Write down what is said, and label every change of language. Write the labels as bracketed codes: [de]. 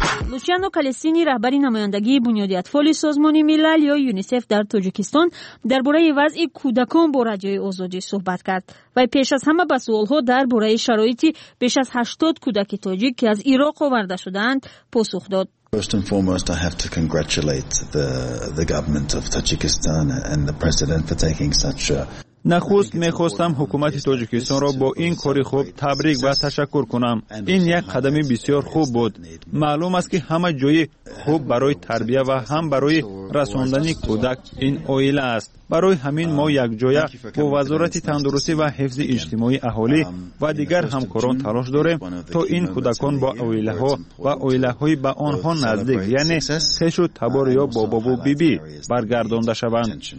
[fa] لوچیانو کالستینی رهبری نمایندگی بنیاد اطفال سازمان ملل یا یونیسف در تاجیکستان درباره وضع کودکان با رادیوی آزادی صحبت کرد و پیش از همه به سوال‌ها درباره شرایط بیش از 80 کودک تاجیک که از عراق آورده شده‌اند پاسخ داد. [en] First and foremost, I have to congratulate the government of Tajikistan and the president for taking such a [fa] نخست می‌خواستم حکومت تاجیکستان را با این کاری خوب تبریک و تشکر کنم. این یک قدمی بسیار خوب بود. معلوم است که همه جای خوب برای تربیت و هم برای رساندن کودک این آیله است. برای همین ما یک جای با وزارت تندرستی و حفظ اجتماعی اهالی و دیگر همکاران تلاش داریم تا این کودکان با آیله ها و آیله های با آنها نزدیک، یعنی خشو تبار یا بابا و بیبی برگردانده شوند.